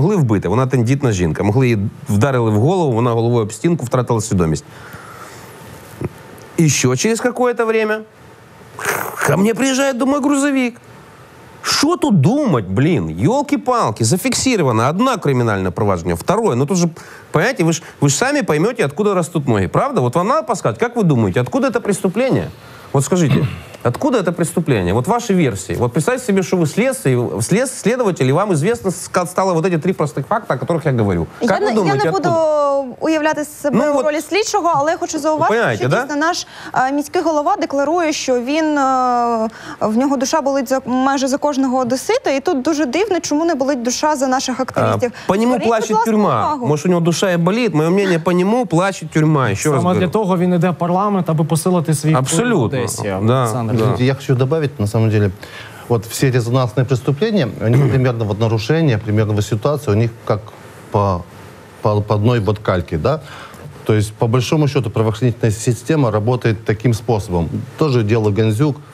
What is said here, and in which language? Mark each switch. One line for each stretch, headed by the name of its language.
Ukrainian: Могли вбити, вона тендітна жінка. Могли її вдарили в голову, вона головою об стінку втратила свідомість.
Russian: Еще через какое-то время ко мне приезжает, думаю, грузовик. Что тут думать, блин? Ёлки-палки, зафиксировано одно криминальное провожение, второе. Ну тут же, понимаете, вы же сами поймете, откуда растут ноги, правда? Вот вам надо подсказать, как вы думаете, откуда это преступление? Вот скажите, откуда это преступление? Вот ваши версии. Вот представьте себе, что вы следователь, и вам известно стало вот эти три простых факта, о которых я говорю. Как я, вы думаете,
Ukrainian: я не буду уявляти себе в ролі слідчого, але я хочу зауважити, що дійсно,
Russian: да?
Ukrainian: Наш міський голова декларує, що він в нього душа болить майже за кожного одесита, і тут дуже дивно, чому не болить душа за наших активістів. По ньому плаче тюрма. Може, у нього душа і болить, моє мнение, по ньому плаче тюрма. Ще саме раз для того він іде в парламент, аби посилити свій абсолютно в Одесі.
Russian: Да, да.
Ukrainian: Я хочу додати,
Russian: на самом деле, вот все резонансные преступления, они примерно вот нарушения, примерно вот ситуация, у них как по одной вот кальке, да? То есть, по большому счету, правоохранительная система работает таким способом. Тоже дело Гандзюк.